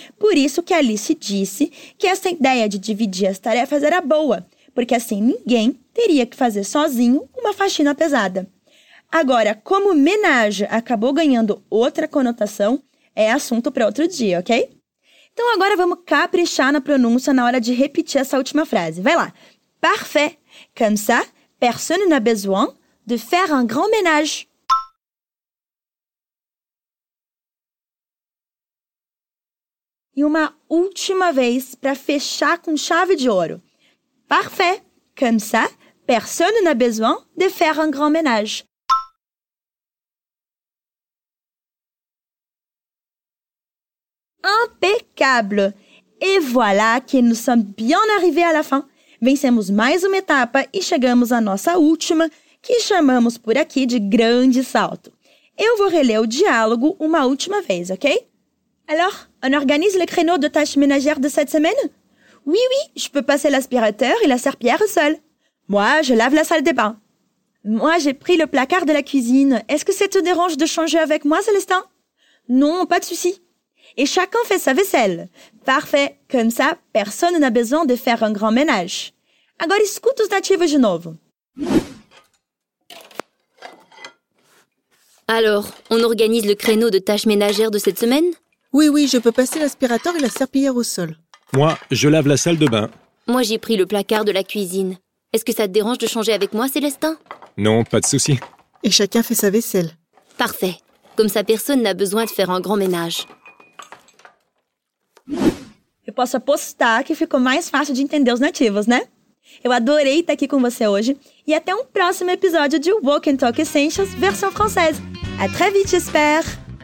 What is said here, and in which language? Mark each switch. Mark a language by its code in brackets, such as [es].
[pt] Por isso que Alice disse que essa ideia de dividir as tarefas era boa, porque assim ninguém teria que fazer sozinho uma faxina pesada. Agora, como ménage acabou ganhando outra conotação, é assunto para outro dia, ok? Então agora vamos caprichar na pronúncia na hora de repetir essa última frase. Vai lá. Parfait. [fr] Comme ça, personne n'a besoin de faire un grand ménage. [pt] E uma última vez para fechar com chave de ouro. [fr] Parfait. Comme ça, personne n'a besoin de faire un grand ménage. Impeccable! E voilà que nous sommes bien arrivés à la fin. [pt] Vencemos mais uma etapa e chegamos à nossa última, que chamamos por aqui de grande salto. Eu vou reler o diálogo uma última vez, ok? [fr] Alors, on organise le créneau de tâches ménagères de cette semaine? Oui, oui, je peux passer l'aspirateur et la serpillière seule. Moi, je lave la salle de bain. Moi, j'ai pris le placard de la cuisine. Est-ce que ça te dérange de changer avec moi, Célestin? Non, pas de souci. Et chacun fait sa vaisselle. Parfait, comme ça, personne n'a besoin de faire un grand ménage. [pt] Agora escuta os nativos de novo. [fr] Alors, on organise le créneau de tâches ménagères de cette semaine? Oui, oui, je peux passer l'aspirateur et la serpillière au sol. Moi, je lave la salle de bain. Moi, j'ai pris le placard de la cuisine. Est-ce que ça te dérange de changer avec moi, Célestin? Non, pas de souci. Et chacun fait sa vaisselle. Parfait, comme ça, personne n'a besoin de faire un grand ménage. [pt] Eu posso apostar que ficou mais fácil de entender os nativos, né? Eu adorei estar aqui com você hoje e até um próximo episódio de Walk and Talk Essentials versão francesa. [fr] À très vite, j'espère!